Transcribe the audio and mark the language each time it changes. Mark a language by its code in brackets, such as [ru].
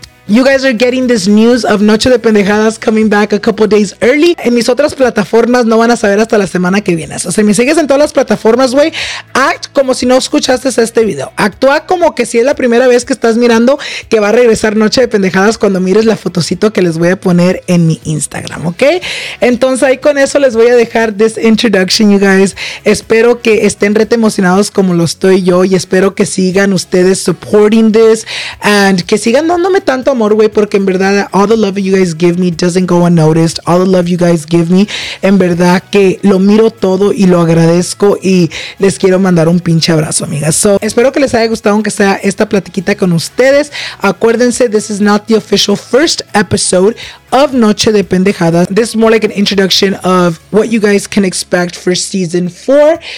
[en] You guys are getting this news of Noche de Pendejadas coming back a couple days early. [es] En mis otras plataformas no van a saber hasta la semana que viene. O sea, me sigues en todas las plataformas, güey. Act como si no escuchaste este video. Actúa como que si es la primera vez que estás mirando que va a regresar Noche de Pendejadas cuando mires la fotocito que les voy a poner en mi Instagram, ¿ok? Entonces ahí con eso les voy a dejar this introduction, you guys. Espero que estén rete emocionados como lo estoy yo y espero que sigan ustedes supporting this and que sigan dándome tanto amor, güey, porque en verdad all the love you guys give me doesn't go unnoticed. All the love you guys give me, en verdad que lo miro todo y lo agradezco y les quiero mandar un pinche abrazo, amigas. So, espero que les haya gustado aunque sea esta platiquita con ustedes. [en] Acuérdense, this is not the official first episode of Noche de Pendejadas. This is more like an introduction of what you guys can expect for season 4.